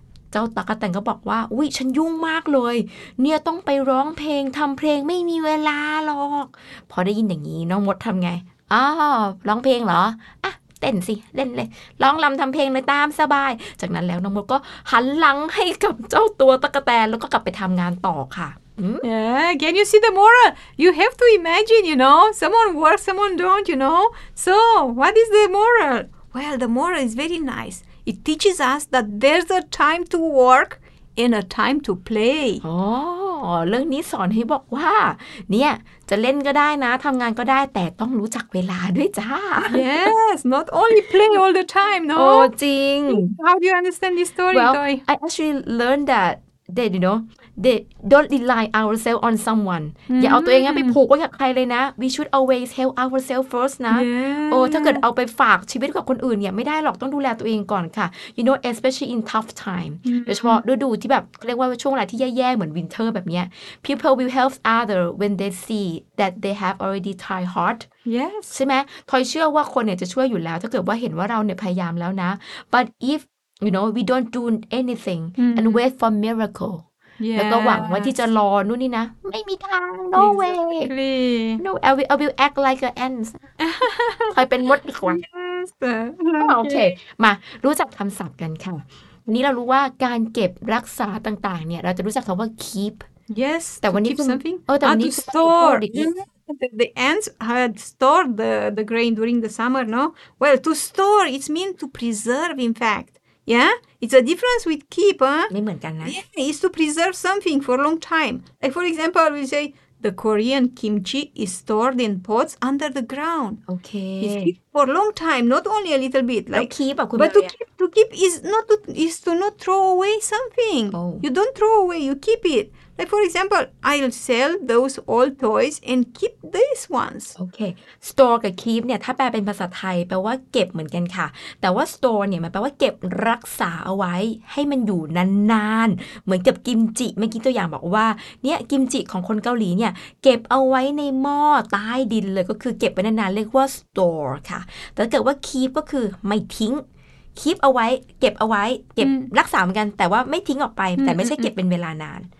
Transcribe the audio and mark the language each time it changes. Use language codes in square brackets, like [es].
[th] เจ้าตากระแตงก็บอกว่าอุ๊ยฉันยุ่งมากเลยเนี่ยต้องไปร้องเพลงทำเพลงไม่มีเวลาหรอกพอได้ยินอย่างนี้น้องมดทำไงอ๋อร้องเพลงเหรออ่ะเต้นสิเล่นเลยร้องรำทำเพลงเลยตามสบายจากนั้นแล้วน้องมดก็หันหลังให้กับเจ้าตัวตากระแตนแล้วก็กลับไปทำงานต่อค่ะ [en] Yeah, can you see the moral? You have to imagine, you know, someone works, someone don't, you know. So what is the moral? Well, the moral is very nice. It teaches us that there's a time to work and a time to play. [th] Oh, เรื่องนี้สอนให้บอกว่าเนี่ยจะเล่นก็ได้นะทำงานก็ได้แต่ต้องรู้จักเวลาด้วยจ้า [en] Yes, not only play all the time, no? [th] Oh, จริง [en] How do you understand this story, Well, Toy? I actually learned that, you know,They don't rely ourselves on someone. Mm-hmm. [th] อย่าเอาตัวเองไปผูกไว้กับใครเลยนะ [en] We should always help ourselves first [th] นะ [en] yeah. [th] ถ้าเกิดเอาไปฝากชีวิตกับคนอื่นเนี่ยไม่ได้หรอกต้องดูแลตัวเองก่อนค่ะ [en] You know especially in tough time mm-hmm. [th] โดยเฉพาะดูที่แบบเรียกว่าช่วงเวลาที่แย่ๆเหมือน winter แบบเนี้ย [en] People will help other when they see that they have already tried hard Yes [th] ใช่ไหมทอยเชื่อว่าคนเนี่ยจะช่วยอยู่แล้วถ้าเกิดว่าเห็นว่าเราเนี่ยพยายามแล้วนะ [en] But if you know we don't do anything mm-hmm. and wait for miracle Yes. [th] แล้วก็หวังว่าที่จะรอนู่นนี่นะไม่มีทาง [en] no exactly. way no I will act like an ant [th] คอยเป็นมดดีกว่า [en] yes [th] โอเคมารู้จักคำศัพท์กันค่ะวันนี้เรารู้ว่าการเก็บรักษาต่างๆเนี่ยเราจะรู้จักคำว่า keep [en] yes [th] แต่วันนี้ [en] keep something [th] แต่วันนี้ [en] store yes. The ants had stored the grain during the summer, no? Well, to store, it's mean to preserve, in fact. Yeah? It's a difference with keep, huh? [th] ไม่เหมือนกันนะ [en] Yeah, it's to preserve something for a long time. Like, for example, we say, the Korean kimchi is stored in pots under the ground. Okay. It's kept for a long time, not only a little bit. [th] แล้วkeep อ่ะคุณ แม่ [en] But to keep is not to, is to not throw away something. Oh. You don't throw away, you keep it. Like, for example, I'll sell those old toys and keep these ones. Okay. [th] Store กับ keep เนี่ยถ้าแปลเป็นภาษาไทยแปลว่าเก็บเหมือนกันค่ะแต่ว่า store เนี่ยมันแปลว่าเก็บรักษาเอาไว้ให้มันอยู่นานๆเหมือนกับกิมจิเมื่อกี้ตัวอย่างบอกว่าเนี่ยกิมจิของคนเกาหลีเนี่ยเก็บเอาไว้ในหม้อใต้ดินเลยก็คือเก็บไว้นานๆเรียกว่า store ค่ะแต่ถ้าเกิดว่า keep ก็คือไม่ทิ้งคีปเอาไว้เก็บเอาไว้เก็บรักษาเหมือนกันแต่ว่าไม่ทิ้งออกไปแต่ไม่ใช่เก็บเป็นเวลานาน